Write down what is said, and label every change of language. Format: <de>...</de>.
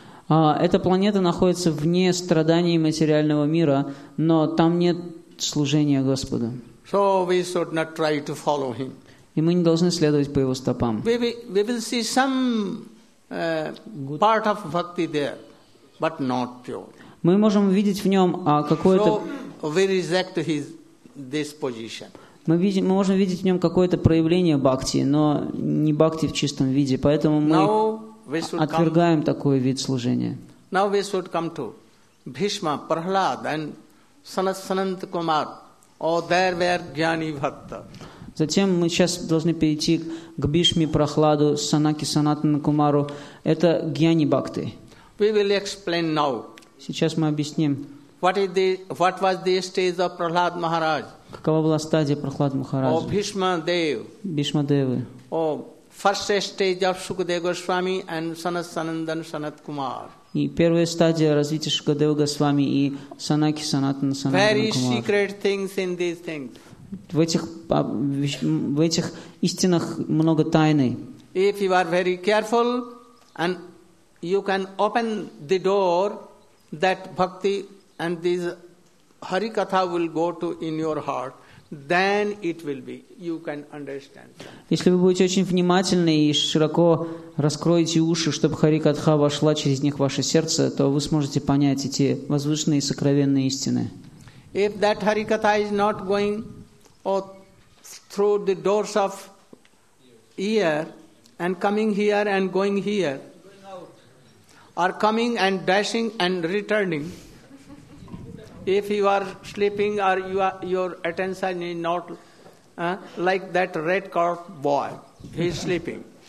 <ru>Эта планета находится вне страданий материального мира, но там нет служения Господу.</ru> <en>So we should not try to follow him.</en> <ru>И мы не должны следовать по его стопам.</ru> <en>We will see some part of bhakti there, but not pure.</en> <ru>Мы можем видеть в нем какое-то.</ru> <en>So we reject his this position.</en> <ru>Мы можем видеть в нем какое-то проявление бхакти, но не бхакти в чистом виде. Поэтому мы отвергаем такой вид служения.</ru> <en>Now we should come to Bhishma, Prahlad, and Sanat Sanant Kumar. Oh, there were Jnani Bhakta.</en> <ru>Затем мы сейчас должны перейти к Бишме, Прохладу, Санаке, Санатану Кумару. Это Гьяни Бхакты.</ru> <en>We will explain now.</en> <ru>Сейчас мы объясним.</ru> <en>What was the stage of Prahlad Maharaj?</en> <ru>Какова была стадия Прохлад Махараджа?</ru> <en>Oh, Bhishma Dev. Bhishma Devi. Oh, first stage of Sukadeva Goswami and Sanat Sanandan Sanat Kumar.</en> <ru>И первая стадия развития Шукадева Госвами и Санаки Санатана Санатана</ru> <en>Very secret things in these things.</en> <ru>В этих истинах много тайны.</ru> <en>If you are very careful and you can open the door that bhakti and this harikatha will go to in your heart, then it will be. You can understand.</en> <ru>Если вы будете очень внимательны и широко раскроете уши, чтобы харикатха вошла через них в ваше сердце, то вы сможете понять эти возвышенные и сокровенные истины.</ru> <en>If that harikatha is not going through the doors of ear and coming here and going here, or coming and dashing and returning, if you are sleeping or your attention is not like that red cord boy, he is sleeping.</en>